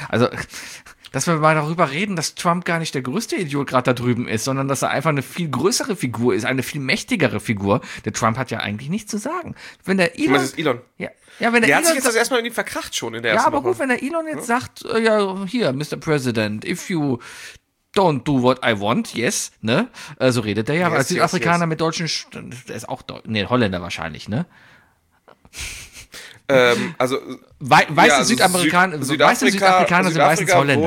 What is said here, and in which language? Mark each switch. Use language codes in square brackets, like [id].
[de] Also, dass wir mal darüber reden, dass Trump gar nicht der größte Idiot gerade da drüben ist, sondern dass er einfach eine viel größere Figur ist, eine viel mächtigere Figur. Der Trump hat ja eigentlich nichts zu sagen. Wenn der Elon... Ist Elon. Ja, wenn der Elon... Der hat sich jetzt das erstmal irgendwie verkracht schon in der ersten Woche. Ja, aber gut, wenn der Elon jetzt sagt, ja, hier, Mr. [en] President, if you don't do what I want, yes, ne? [de] So redet der ja. Yes, als Südafrikaner mit deutschen... Der ist auch Holländer wahrscheinlich, ne? Also... Südafrikaner sind meistens Holländer.